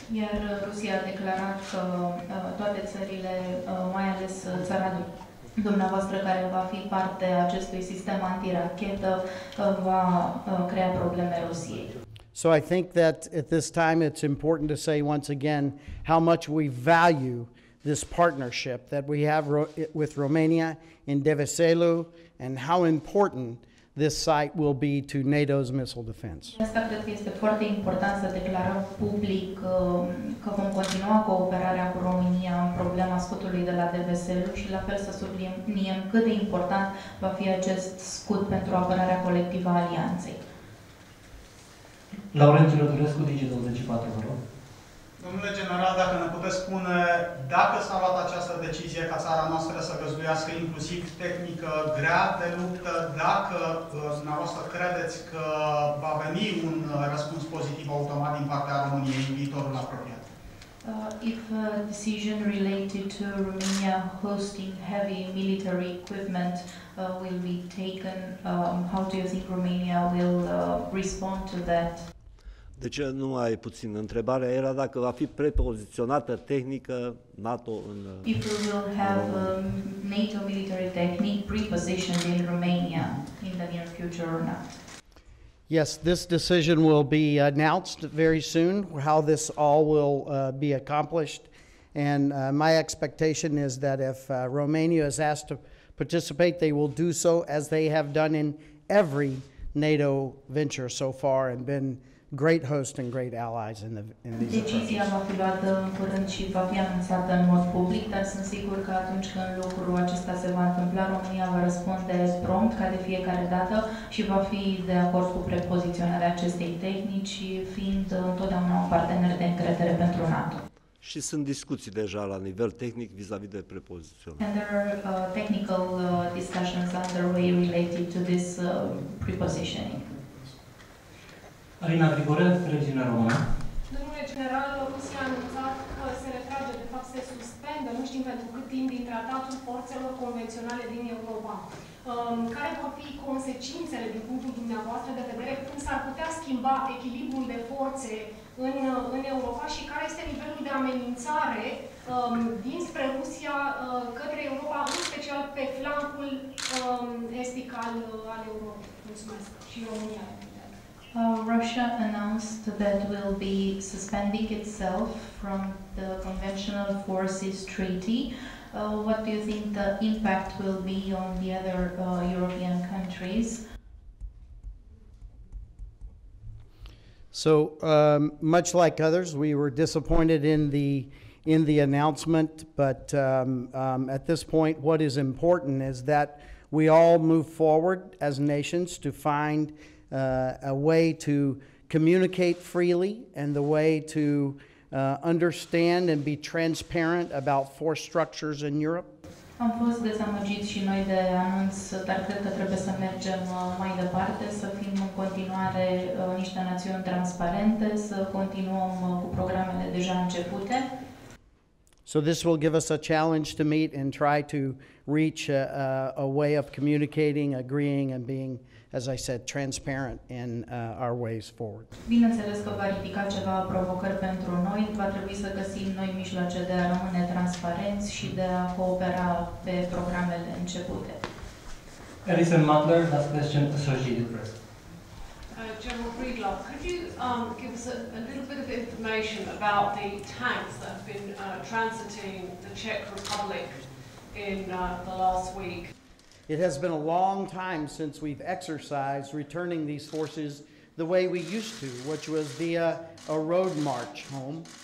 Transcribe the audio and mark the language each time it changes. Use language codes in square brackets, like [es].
[ro] Iar Rusia a declarat că toate țările, mai ales țara dumneavoastră care va fi parte acestui sistem antirachetă, va crea probleme Rusiei. [en] So I think that at this time it's important to say once again how much we value this partnership that we have with Romania in Deveselu and how important this site will be to NATO's missile defense. [ro] Asta cred că este foarte important să declarăm public că vom continua cooperarea cu România în problema scutului de la Deveselu și la fel să subliniem cât de important va fi acest scut pentru apărarea colectivă a alianței. Laurențiu Rădulescu, Digi24, vă rog. Domnule general, dacă ne puteți spune dacă s-a luat această decizie ca țara noastră să găzduiască inclusiv tehnică grea de luptă, dacă dumneavoastră credeți că va veni un răspuns pozitiv automat din partea României în viitorul apropiat. [en] If a decision related to Romania hosting heavy military equipment will be taken, how do you think Romania will respond to that? [ro] De ce nu mai puțin? Întrebarea era dacă va fi prepoziționată tehnică NATO în [en] If we will have NATO military technique prepositioned in Romania in the near future or not? Yes, this decision will be announced very soon, how this all will be accomplished. And my expectation is that if Romania is asked to participate, they will do so as they have done in every NATO venture so far and been great host and great allies in the in these [ro] Decizia va fi luată în curând și va fi anunțată în mod public, dar sunt sigur că atunci când lucrul acesta se va întâmpla, România va răspunde prompt, ca de fiecare dată, și va fi de acord cu prepoziționarea acestei tehnici, fiind întotdeauna un partener de încredere pentru NATO. Și sunt discuții deja la nivel tehnic vis-a-vis de prepoziționare. [en] And there are technical discussions underway related to this prepositioning. [ro] Alina Grigore, Regina Română. Domnule general, Rusia a anunțat că se retrage, de fapt se suspendă, nu știm pentru cât timp, din tratatul forțelor convenționale din Europa. Care vor fi consecințele din punctul dumneavoastră de vedere, cum s-ar putea schimba echilibrul de forțe în Europa și care este nivelul de amenințare dinspre Rusia către Europa, în special pe flancul estic al Europei. Mulțumesc. Și România. [en] Russia announced that will be suspending itself from the Conventional Forces Treaty. What do you think the impact will be on the other European countries? So, much like others, we were disappointed in the announcement, but at this point, what is important is that we all move forward as nations to find a way to communicate freely and the way to understand and be transparent about force structures in Europe. [ro] Am fost dezamăgiți și noi de anunț, dar cred că trebuie să mergem mai departe, să fim în continuare niște națiuni transparente, să continuăm cu programele deja începute. [en] So this will give us a challenge to meet and try to reach a way of communicating, agreeing, and being, as I said, transparent in our ways forward. [ro] Bineînțeles că va ridica ceva provocări pentru noi. Va trebui să găsim noi mijloace de a rămâne transparenți și de a coopera pe programele începute. [en] Alice Mandler, that's question to Associated Press. General Breedlove, could you give us a little bit of information about the tanks that have been transiting the Czech Republic in the last week? It has been a long time since we've exercised returning these forces the way we used to, which was via a road march home.